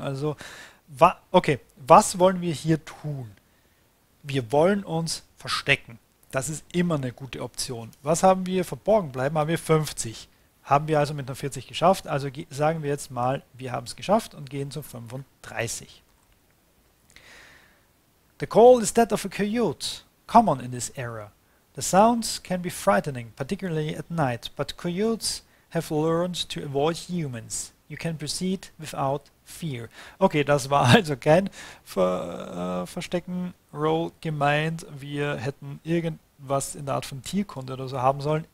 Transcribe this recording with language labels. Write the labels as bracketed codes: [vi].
[de] Also, okay, was wollen wir hier tun? Wir wollen uns verstecken. Das ist immer eine gute Option. Was haben wir verborgen bleiben? Haben wir 50. Haben wir also mit einer 40 geschafft. Also sagen wir jetzt mal, wir haben es geschafft und gehen zu 35. [en] The call is that of a coyote, common in this area. The sounds can be frightening, particularly at night, but coyotes have learned to avoid humans. You can proceed without fear. [de] Okay, das war also kein Verstecken-Roll gemeint. Wir hätten irgendwas in der Art von Tierkunde oder so haben sollen.